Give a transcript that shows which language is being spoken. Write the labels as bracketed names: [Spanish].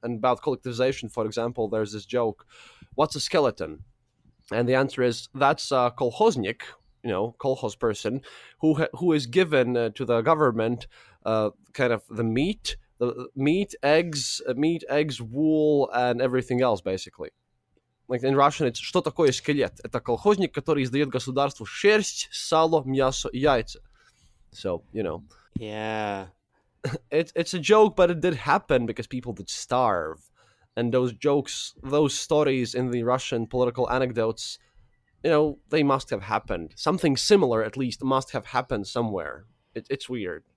[English] And about collectivization, for example, there's this joke, what's a skeleton? And the answer is, that's a kolkhoznik, you know, kolkhoz person, who is given to the government kind of the meat, eggs, wool, and everything else, basically. Like in Russian, it's [Russian] что такое скелет? Это колхозник, который издает государству шерсть, сало, мясо, яйца. [English] So, you know. Yeah. It's a joke, but it did happen because people did starve. And those jokes, those stories in the Russian political anecdotes, you know, they must have happened. Something similar, at least, must have happened somewhere. It's weird.